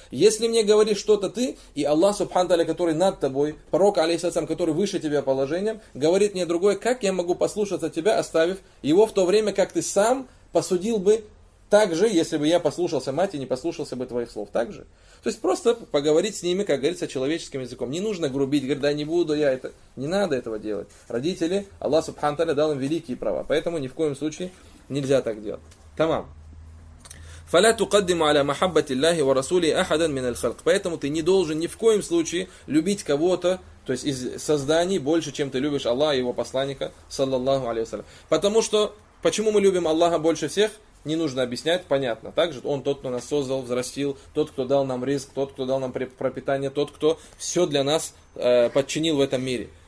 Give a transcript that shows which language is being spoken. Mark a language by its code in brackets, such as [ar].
[ru] Если мне говоришь что-то ты, и Аллах Субхану Тааля, который над тобой, пророк, алейхиссалям, который выше тебя положением, говорит мне другое, как я могу послушаться тебя, оставив его в то время, как ты сам посудил бы так же, если бы я послушался мать и не послушался бы твоих слов так же? То есть, просто поговорить с ними, как говорится, человеческим языком. Не нужно грубить, говорить, да не буду я это. Не надо этого делать. Родители, Аллах Субхану Тааля дал им великие права. Поэтому ни в коем случае нельзя так делать. Тамам. [ar] فلا تقدم على محبة الله ورسوله أحدا من الخلق. [ru] Поэтому ты не должен ни в коем случае любить кого-то, то есть из созданий, больше, чем ты любишь Аллаха и его посланника, саллаллаху алейхи вассалям. Потому что почему мы любим Аллаха больше всех, не нужно объяснять, понятно. Также он тот, кто нас создал, взрастил, тот, кто дал нам риск, тот, кто дал нам пропитание, тот, кто все для нас подчинил в этом мире.